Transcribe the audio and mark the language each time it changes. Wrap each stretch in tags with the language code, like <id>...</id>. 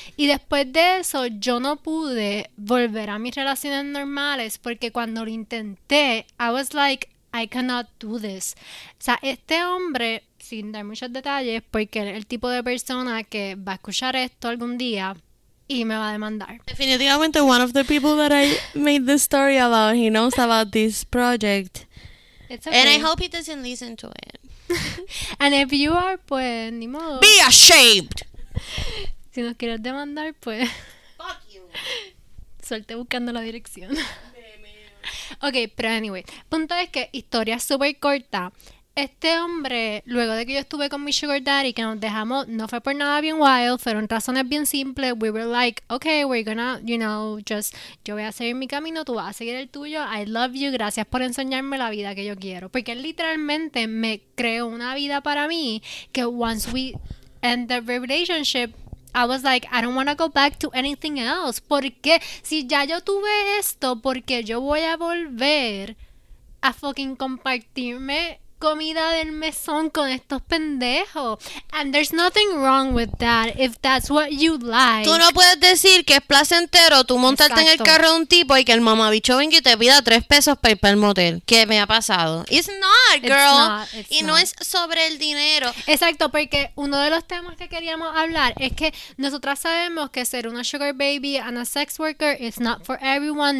<es>Y después de eso, yo no pude volver a mis relaciones normales. Porque cuando lo intenté,</es> <en>I was like, I cannot do this.</en> <es>O sea, este hombre, sin dar muchos detalles, porque es el tipo de persona que va a escuchar esto algún día, y me va a demandar.</es> <en>Definitivamente, one of the people that I made this story about, he knows about this project. It's okay. And I hope he doesn't listen to it. And if you are,</en> <es>pues, ni modo.</es> <en>Be ashamed!</en> <es>Si nos quieres demandar, pues...</es> <en>Fuck you!</en> <es>Suerte buscando la dirección. Ok, pero anyway. Punto es que, historia súper corta. Este hombre, luego de que yo estuve con mi sugar daddy, que nos dejamos, no fue por nada bien wild, fueron razones bien simples.</es> <en>We were like, okay, we're gonna, you know, just,</en> <es>yo voy a seguir mi camino, tú vas a seguir el tuyo.</es> <en>I love you,</en> <es>gracias por enseñarme la vida que yo quiero. Porque él literalmente me creó una vida para mí,</es> <en>que once we end the relationship, I was like, I don't wanna go back to anything else.</en> <es>Porque si ya yo tuve esto, porque yo voy a volver a fucking compartirme comida del mesón con estos pendejos.</es> <en>And there's nothing wrong with that if that's what you like.</en> <es>Tú no puedes decir que es placentero tú montarte Exacto. en el carro de un tipo y que el mamabicho venga y te pida $3 para ir para el motel. ¿Qué me ha pasado?</es> <en>It's not, girl. It's not, it's y not.</en> <es>No es sobre el dinero. Exacto, porque uno de los temas que queríamos hablar es que nosotras sabemos que ser una sugar baby</es> <en>and a sex worker is not for everyone.</en>